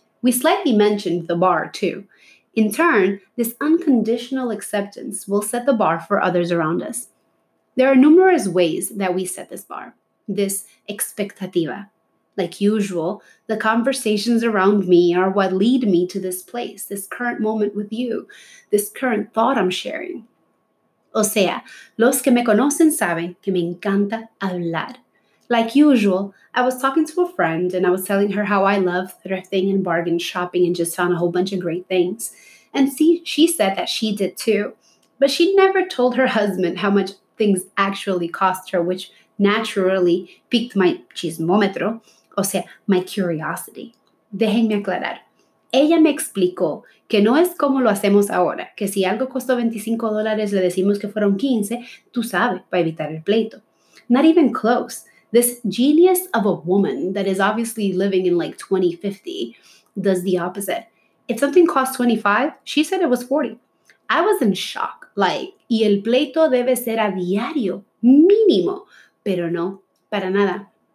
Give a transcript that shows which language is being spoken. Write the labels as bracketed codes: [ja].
[en] We slightly mentioned the bar too. In turn, this unconditional acceptance will set the bar for others around us. There are numerous ways that we set this bar, this expectativa. Like usual, the conversations around me are what lead me to this place, this current moment with you, this current thought I'm sharing. [es] O sea, los que me conocen saben que me encanta hablar. [en] Like usual, I was talking to a friend and I was telling her how I love thrifting and bargain shopping and just found a whole bunch of great things. And see, she said that she did too, but she never told her husband how much things actually cost her, which naturally piqued my [es] chismómetro, o sea, [en] my curiosity. [es] Déjenme aclarar. Ella me explicó que no es como lo hacemos ahora, que si algo costó $25, le decimos que fueron 15, tú sabes, para evitar el pleito. [en] Not even close. This genius of a woman that is obviously living in like 2050 does the opposite. If something costs 25, she said it was 40. I was in shock. [es] Like, y el pleito debe ser a diario, mínimo. Pero no, para nada.